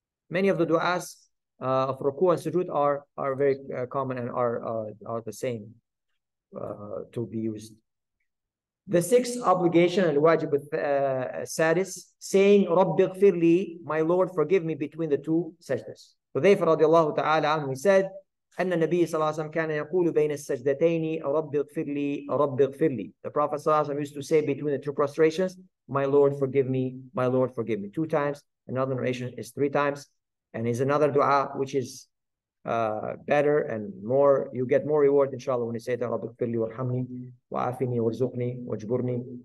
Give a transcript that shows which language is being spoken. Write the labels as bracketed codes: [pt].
[en] Many of the du'as of ruku' and sujood are very common and are the same to be used. The sixth obligation, [ar] al-wajib sadis, [en] saying, [ar] Rabbi ighfir li, [en] my Lord, forgive me, between the two sajdas. Hudhayfa radiallahu ta'ala anhu, he said, [ar] أن النبي صلى الله عليه وسلم كان يقول بين السجدتين رب اغفر لي رب اغفر لي. [en] The Prophet [ar] صلى الله عليه وسلم [en] used to say between the two prostrations, my Lord forgive me, my Lord forgive me. Two times. Another narration is three times, and is another dua which is better and more. You get more reward, inshallah, when you say that [ar] رب اغفر لي وارحمني وعافني وارزقني واجبرني.